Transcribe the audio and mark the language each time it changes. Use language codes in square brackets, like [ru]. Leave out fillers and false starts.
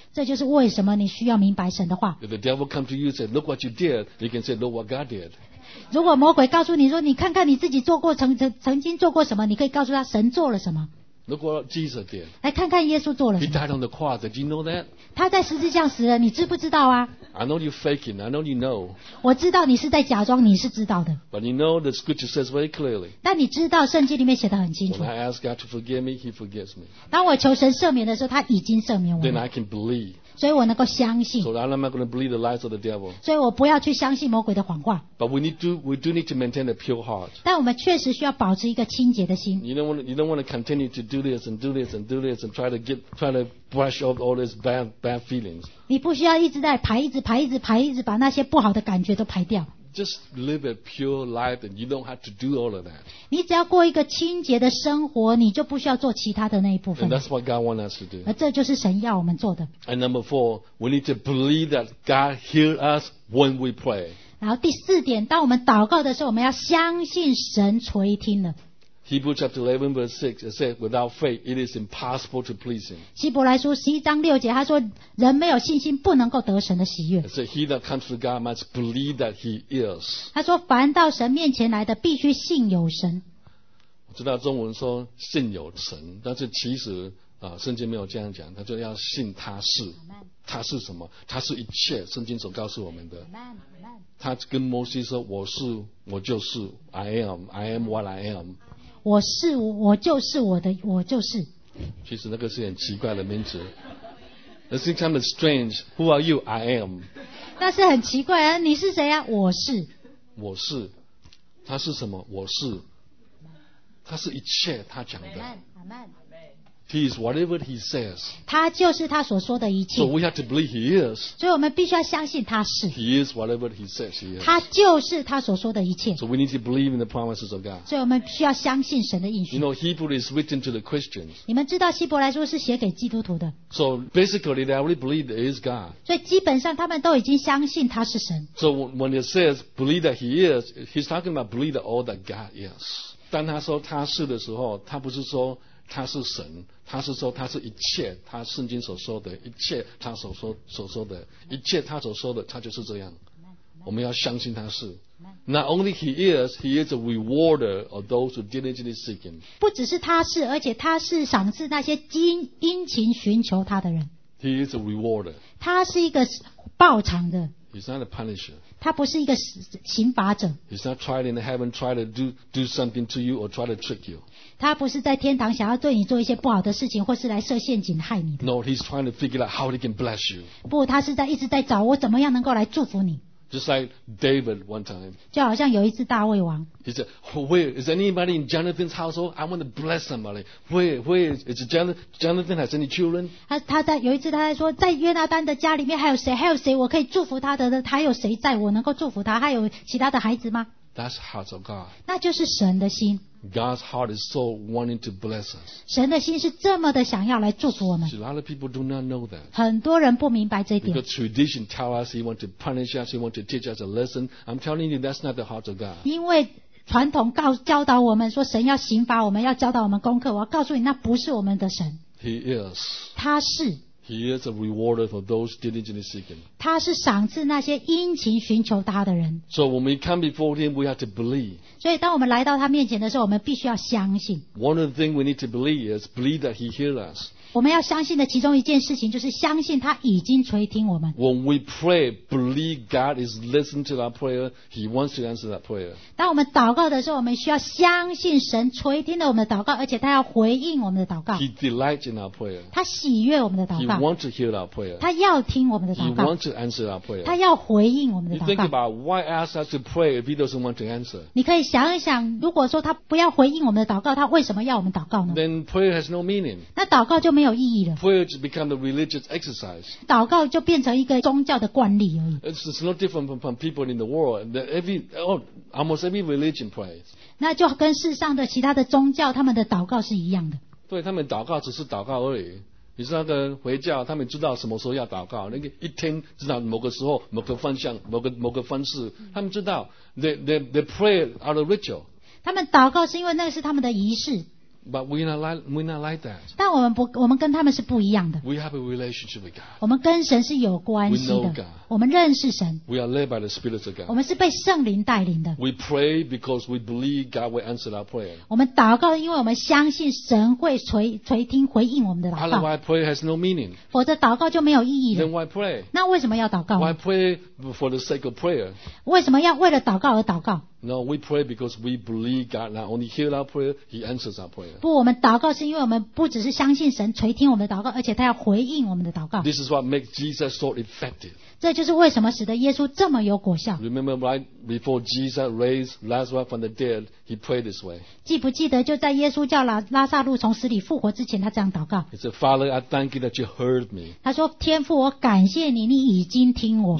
[zh] 这就是为什么你需要明白神的话。 [en] If the devil come to you and say, "Look what you did," you can say, "Look what God did." [zh] 如果魔鬼告诉你说，你看看你自己做过曾经做过什么，你可以告诉他神做了什么。 [en] Look what Jesus did. [zh] 来看看耶稣做了什么。 [en] He died on the cross. Did you know that? [zh] 他在十字架死了，你知不知道啊 [en] ？I know you're faking. I know you know. [zh] 我知道你是在假装，你是知道的。 [en] But you know the scripture says very clearly. [zh] 但你知道圣经里面写得很清楚。 [en] When I ask God to forgive me, He forgives me. [zh] 当我求神赦免的时候，他已经赦免我 [en] 了。Then I can believe. [zh] 所以我能够相信。 [en] So I'm not going to believe the lies of the devil. [zh] 所以我不要去相信魔鬼的谎话。 [en] But we do need to maintain a pure heart. [zh] 但我们确实需要保持一个清洁的心。 [en] You don't want to continue to do this and do this and do this and try to brush off all these bad feelings. [zh] 你不需要一直在排，一直排，一直排，一直把那些不好的感觉都排掉。 [en] Just live a pure life, and you don't have to do all of that. [zh] 你只要过一个清洁的生活，你就不需要做其他的那一部分。 [en] And that's what God wants us to do. [zh] 而这就是神要我们做的。 [en] And number four, we need to believe that God hears us when we pray. [zh] 然后第四点，当我们祷告的时候，我们要相信神垂听了。 [en] Hebrews chapter 11 verse 6 it says, without faith, it is impossible to please him. [zh] 希伯来书十一章六节，他说人没有信心，不能够得神的喜悦。 [en] It says, he that comes to God must believe that he is. [zh] 他说凡到神面前来的，必须信有神。我知道中文说信有神，但是其实圣经没有这样讲，他就要信他是。他是什么？他是一切，圣经所告诉我们的。他跟摩西说，我是，我就是 [en] I am, I am what I am。 [zh] 我是，我就是我的，我就是。其实那个是很奇怪的名字。 [en] It seems kind of strange. Who are you? I am. [zh] 但是很奇怪啊，你是谁啊？我是。我是。他是什么？我是。他是一切他讲的。 [en] He is whatever he says. [zh] 他就是他所说的一切。 [en] So we have to believe he is. [zh] 所以我们必须要相信他是。 [en] He is whatever he says he is. [zh] 他就是他所说的一切。 [en] So we need to believe in the promises of God. [zh] 所以我们需要相信神的应许。 [en] You know, Hebrew is written to the Christians. [zh] 你们知道希伯来书是写给基督徒的。 [en] So basically, they already believe there is God. [zh] 所以基本上他们都已经相信他是神。 [en] So when it says believe that he is, he's talking about believe that all that God is. [zh] 当他说他是的时候，他不是说他是神，他是说他是一切，他圣经所说的一切，他所说的一切，他所说的他就是这样。我们要相信他是。 [en] Not only he is a rewarder of those who diligently seek him. [zh] 不只是他是，而且他是赏赐那些殷勤寻求他的人。 [en] He is a rewarder. [zh] 他是一个报偿的。 [en] He's not a punisher. [zh] 他不是一个刑罚者。 [en] He's not trying in heaven try to do something to you or try to trick you. [zh] 他不是在天堂想要对你做一些不好的事情，或是来设陷阱害你的。 [en] No, he's trying to figure out how he can bless you. [zh] 不，他是在一直在找我怎么样能够来祝福你。 [en] Just like David one time. [zh] 就好像有一次大卫王。 [en] He said, "Where is anybody in Jonathan's household? I want to bless somebody. Where is Jonathan has any children?" [zh] 他在有一次他在说，在约拿丹的家里面还有谁我可以祝福他的呢？还有谁在我能够祝福他？还有其他的孩子吗？ [en] That's the heart of God. [zh] 那就是神的心。 [en] God's heart is so wanting to bless us. [zh] 神的心是这么的想要来祝福我们。 [en] A lot of people do not know that. [zh] 很多人不明白这一点。 [en] Because tradition tells us he wants to punish us, he wants to teach us a lesson. I'm telling you, that's not the heart of God. [zh] 因为传统教导我们说神要刑罚我们，要教导我们功课。我要告诉你，那不是我们的神。 [en] He is. [zh] 他是。 [en] He is a rewarder for those diligently seeking. [zh] 他是赏赐那些殷勤寻求他的人。 [en] So when we come before him, we have to believe. [zh] 所以当我们来到他面前的时候，我们必须要相信。 [en] One of the things we need to believe is believe that he hears us. [zh] 我们要相信的其中一件事情就是相信他已经垂听我们。 [en] When we pray, believe God is listening to our prayer. He wants to answer that prayer. [zh] 当我们祷告的时候，我们需要相信神垂听了我们的祷告，而且他要回应我们的祷告。 [en] He delights in our prayer. [zh] 他喜悦我们的祷告。 [en] He wants to hear our prayer. [zh] 他要听我们的祷告。 [en] He wants to answer our prayer. [zh] 他要回应我们的祷告。 [en] You think about why ask us to pray if he doesn't want to answer? [zh] 你可以想一想，如果说他不要回应我们的祷告，他为什么要我们祷告呢？ [en] Then prayer has no meaning. [zh] 那祷告就没有意义了。 [en] Prayer just become a religious exercise. [zh] 祷告就变成一个宗教的惯例而已。 [en] It's no different from people in the world. Almost every religion prays. [zh] 那就跟世上的其他的宗教他们的祷告是一样的。对，他们祷告只是祷告而已。你知道跟回教，他们知道什么时候要祷告，那个一天知道某个时候、某个方向、某个方式，他们知道。 [en] They pray out of ritual. [zh] 他们祷告是因为那是他们的仪式。 [en] But we're not like that. [zh] 但我们跟他们是不一样的。 [en] We have a relationship with God. [zh] 我们跟神是有关系的。 [en] We know God. [zh] 我们认识神。 [en] We are led by the Spirit of God. [zh] 我们是被圣灵带领的。 [en] We pray because we believe God will answer our prayer. [zh] 我们祷告，因为我们相信神会垂听回应我们的祷告。 [en] Otherwise, prayer has no meaning. [zh] 否则祷告就没有意义了。 [en] Then why pray? [zh] 那为什么要祷告？ [en] Why pray for the sake of prayer? [zh] 为什么要为了祷告而祷告？ [en] No, we pray because we believe God not only hears our prayer, He answers our prayer. [zh] 不，我们祷告是因为我们不只是相信神垂听我们的祷告，而且他要回应我们的祷告。 [en] This is what makes Jesus so effective. [zh] 这就是为什么使得耶稣这么有果效。 [en] Remember right before Jesus raised Lazarus from the dead, He prayed this way. [zh] 记不记得就在耶稣叫拉撒路从死里复活之前，他这样祷告。 [en] He said, "Father, I thank you that you heard me." [zh] 他说，天父，我感谢你，你已经听我。